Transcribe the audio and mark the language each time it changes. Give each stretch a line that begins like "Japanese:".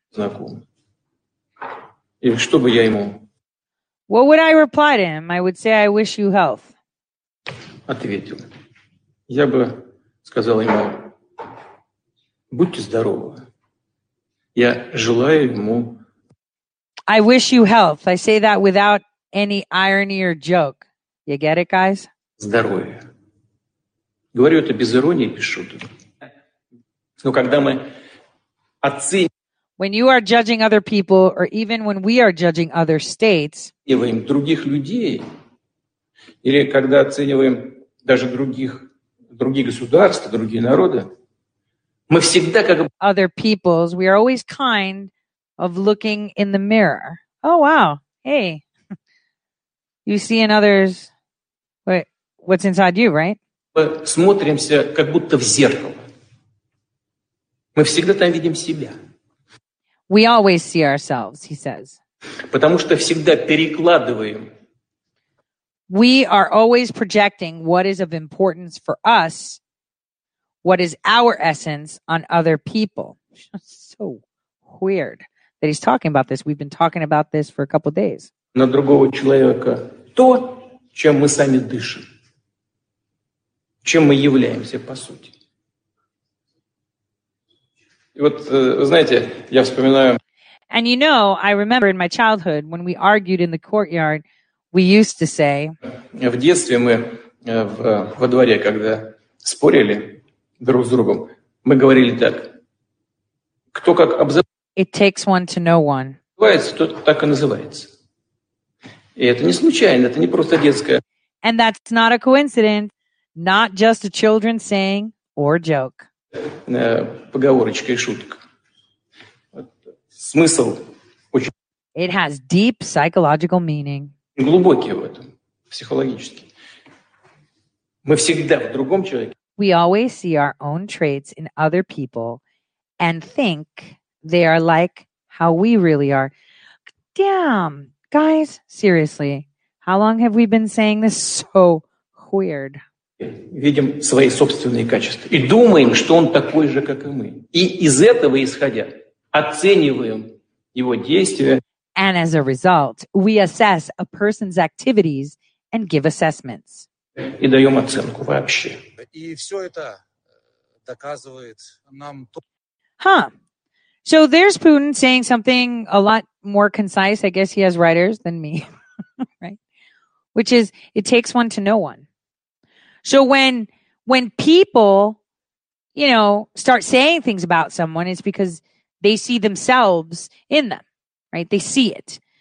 Russian: Знакомы. И что бы я ему
English: What would I reply to him? I would say, I wish you health.
Russian: Ответил. Я бы сказал ему, будьте здоровы. Я желаю ему...
English: I wish you health. I say that without any irony or joke. You get it, guys?
Russian: Здоровье. Говорю это без иронии, без шуток. Но когда мы оценим...
English: When you are judging other people, or even when we are judging other states,
Russian: оцениваем других людей, или когда оцениваем даже других государств, другие народы, мы всегда как
English: other peoples, we are always kind of looking in the mirror. Oh wow, hey, you see in others what's inside you, right?
Russian: Мы смотримся как будто в зеркало. Мы всегда там видим себя.
English: We always see ourselves, he says.
Russian: Потому что всегда перекладываем.
English: We are always projecting what is of importance for us, what is our essence on other people. So weird that he's talking about this. We've been talking about this for a couple of days.
Russian: На другого человека то, чем мы сами дышим. Чем мы являемся по сути. Вот, знаете, я вспоминаю...
English: And you know, I remember in my childhood, when we argued in the courtyard, we used to say...
Russian: В детстве мы во дворе, когда спорили друг с другом, мы говорили так. Кто как обзывается...
English: It takes one to know one.
Russian: Называется, тот так и называется. И это не случайно, это не просто детское...
English: And that's not a coincidence, not just a children's saying or joke.
Russian: Поговорочка и шутка. Смысл очень...
English: It has deep psychological meaning.
Russian: Глубокий в этом, психологический. Мы всегда в другом человеке...
English: We always see our own traits in other people and think they are like how we really are. Damn, guys, seriously, how long have we been saying this so weird?
Russian: Видим свои собственные качества и думаем, что он такой же, как и мы. И из этого исходя, оцениваем его действия.
English: And as a result, we assess a person's activities and give assessments.
Russian: И даем оценку вообще. И все это доказывает нам то...
English: Huh. So there's Putin saying something a lot more concise. I guess he has writers than me, right? Which is, it takes one to know one. So when people, you know, start saying things about someone, it's because they see themselves in them, right? They see it.